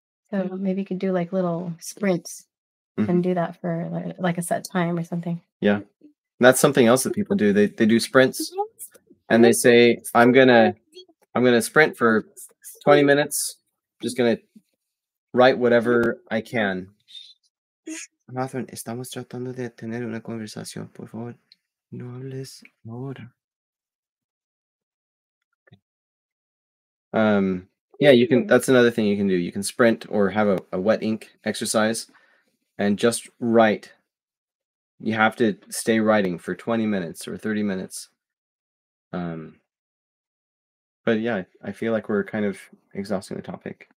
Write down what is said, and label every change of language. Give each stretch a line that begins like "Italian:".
English: So maybe you could do like little sprints and do that for like a set time or something. Yeah. That's something else that people do. They do sprints, and they say, I'm gonna sprint for 20 minutes. Just gonna write whatever I can.
Spanish: Nathan, estamos tratando de tener una conversación. Por favor, no hables ahora.
English: Yeah, you can. That's another thing you can do. You can sprint or have a wet ink exercise, and just write. You have to stay writing for 20 minutes or 30 minutes. But yeah, I feel like we're kind of exhausting the topic.